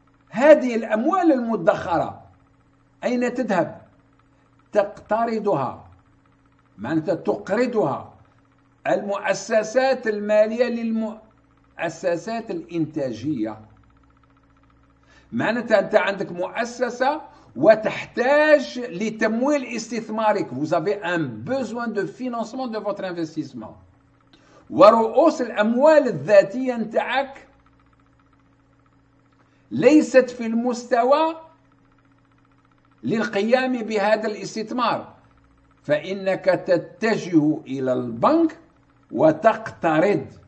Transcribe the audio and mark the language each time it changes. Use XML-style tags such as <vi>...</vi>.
<ar>هذه الأموال المدخرة أين تذهب؟ تقترضها، معناتها تقرضها المؤسسات المالية للمؤسسات الإنتاجية. معناتها أنت عندك مؤسسة وتحتاج لتمويل استثمارك،</ar> <fr>vous avez un besoin de financement de votre investissement.</fr> <ar>ورؤوس الأموال الذاتية نتاعك ليست في المستوى للقيام بهذا الاستثمار، فإنك تتجه إلى البنك وتقترض.</ar>